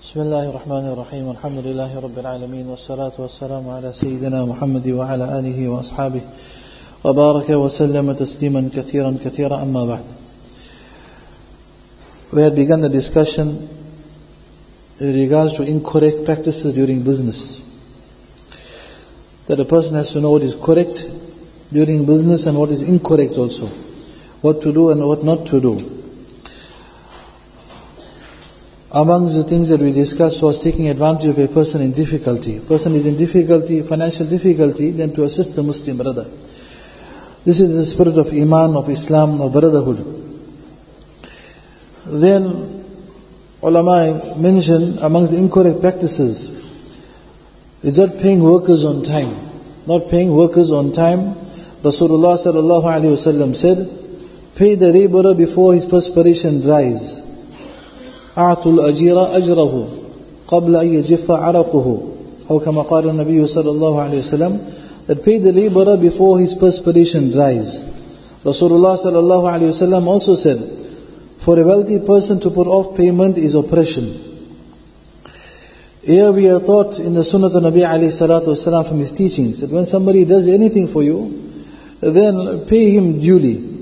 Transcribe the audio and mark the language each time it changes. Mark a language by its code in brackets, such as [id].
[ar] بسم الله الرحمن الرحيم الحمد لله رب العالمين والصلاة والسلام على سيدنا محمد وعلى آله وأصحابه وبارك وسلم تسليما كثيرا كثيرا أما بعد. [en] We had begun the discussion in regards to incorrect practices during business. That a person has to know what is correct during business and what is incorrect also. What to do and what not to do. Among the things that we discussed was taking advantage of a person in difficulty. A person is in difficulty, financial difficulty, then to assist the Muslim brother. This is the spirit of Iman, of Islam, of brotherhood. Then, ulama mentioned among the incorrect practices is not paying workers on time. Not paying workers on time. Rasulullah sallallahu alaihi wasallam said, pay the laborer before his perspiration dries. [ar] أَعْتُ الْأَجِيرَ أَجْرَهُ قَبْلَ أَنْ يَجِفَ عَرَقُهُ أو كما قال النبي صلى الله عليه وسلم [en] that pay the laborer before his perspiration dries. Rasulullah صلى الله عليه وسلم also said for a wealthy person to put off payment is oppression. Here we are taught in the sunnah of Nabi عليه الصلاة والسلام from his teachings that when somebody does anything for you then pay him duly.